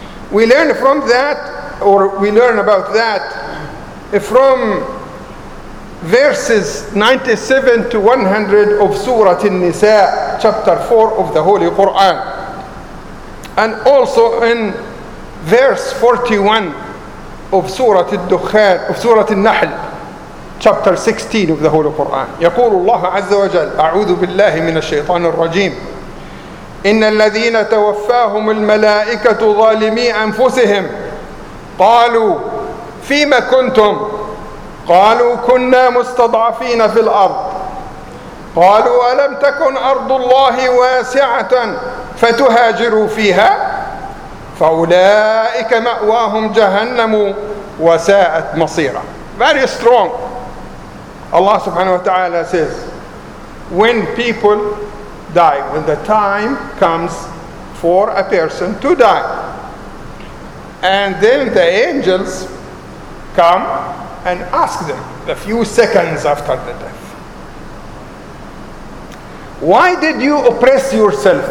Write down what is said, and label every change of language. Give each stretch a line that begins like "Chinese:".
English: We learn from that, or we learn about that from verses 97 to 100 of Surah An-Nisa, chapter 4 of the Holy Quran, and also in verse 41 of Surah Al-Dukhan, of Surah An-Nahl, chapter 16 of the Holy Quran.
Arabic: يقول الله عز وجل أعوذ بالله من الشيطان الرجيم إن الذين توفاهم الملائكة ظالمي أنفسهم قالوا فيما كنتم قالوا كنا مستضعفين في الأرض قالوا ألم تكن أرض الله واسعة فتهاجروا فيها فأولئك مأواهم جهنم وساءت مصيرا.
English: Very strong. Allah subhanahu wa ta'ala says, when people die, when the time comes for a person to die, and then the angels come and ask them a few seconds after the death, why did you oppress yourself?